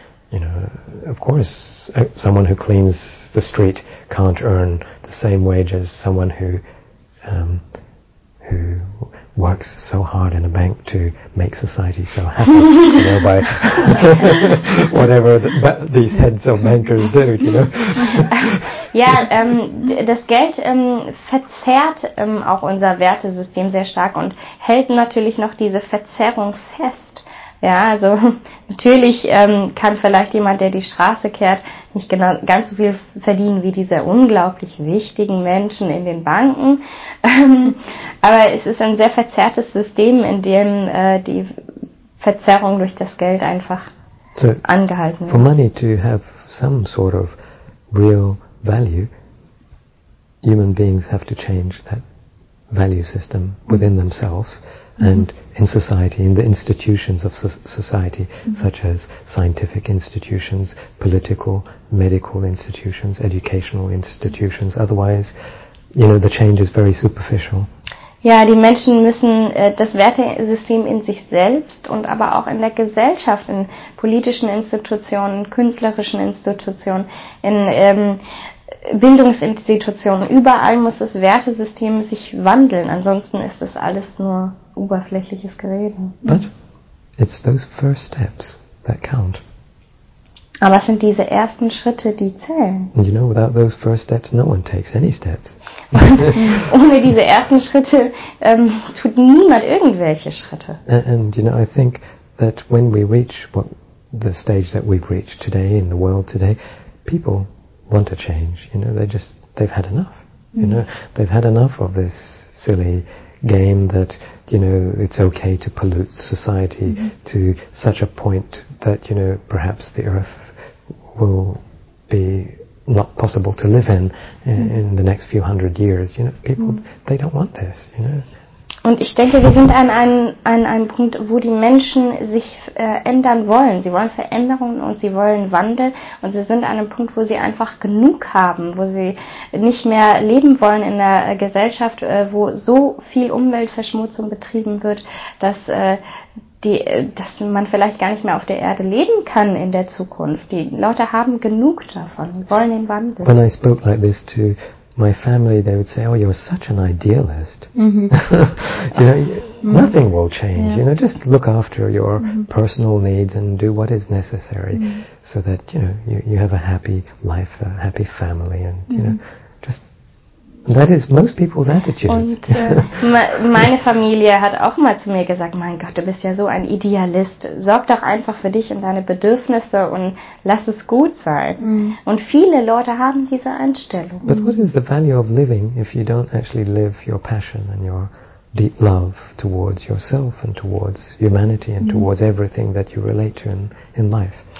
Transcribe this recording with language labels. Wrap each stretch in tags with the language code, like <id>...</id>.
<en>You know, of course, someone who cleans the street can't earn the same wage as someone who works so hard in a bank to make society so happy, you know, by whatever these heads of bankers do, you know.</en> <de>Ja, das Geld verzerrt auch unser Wertesystem sehr stark und hält natürlich noch diese Verzerrung fest. Ja, also natürlich kann vielleicht jemand, der die Straße kehrt, nicht genau ganz so viel verdienen wie diese unglaublich wichtigen Menschen in den Banken. Aber es ist ein sehr verzerrtes System, in dem die Verzerrung durch das Geld einfach so angehalten wird.</de> <en>For money to have some sort of real value, human beings have to change that value system within themselves. and in society, in the institutions of society, such as scientific institutions, political, medical institutions, educational institutions. Otherwise, you know, the change is very superficial.</en> <de>Ja, die Menschen müssen das Wertesystem in sich selbst und aber auch in der Gesellschaft, in politischen Institutionen, künstlerischen Institutionen, in Bildungsinstitutionen, überall muss das Wertesystem sich wandeln. Ansonsten ist das alles nur oberflächliches Gereden.</de> <en>But it's those first steps that count.</en> <de>Aber es sind diese ersten Schritte, die zählen.</de> <en>And you know, without those first steps, no one takes any steps.</en> <de>Ohne diese ersten Schritte tut niemand irgendwelche Schritte.</de> <en>And you know, I think that when we reach what the stage that we've reached today in the world today, people want to change. You know, they've had enough. You know, they've had enough of this silly game that, you know, it's okay to pollute society to such a point that, you know, perhaps the earth will be not possible to live in the next few hundred years. You know, people, they don't want this, you know.</en> <de>Und ich denke, wir sind an einem Punkt, wo die Menschen sich ändern wollen. Sie wollen Veränderungen und sie wollen Wandel. Und sie sind an einem Punkt, wo sie einfach genug haben, wo sie nicht mehr leben wollen in einer Gesellschaft, wo so viel Umweltverschmutzung betrieben wird, dass man vielleicht gar nicht mehr auf der Erde leben kann in der Zukunft. Die Leute haben genug davon, sie wollen den Wandel.</de> <en>When I spoke like this to my family, they would say, oh, you're such an idealist. You know, nothing will change. Yeah. You know, just look after your personal needs and do what is necessary so that, you know, you have a happy life, a happy family, and, you know, just, that is most people's attitudes.</en> <de>Und meine Familie hat auch mal zu mir gesagt, mein Gott, du bist ja so ein Idealist. Sorg doch einfach für dich und deine Bedürfnisse und lass es gut sein. Und viele Leute haben diese Einstellung.</de> <en>But what is the value of living if you don't actually live your passion and your deep love towards yourself and towards humanity and towards everything that you relate to in life?</en>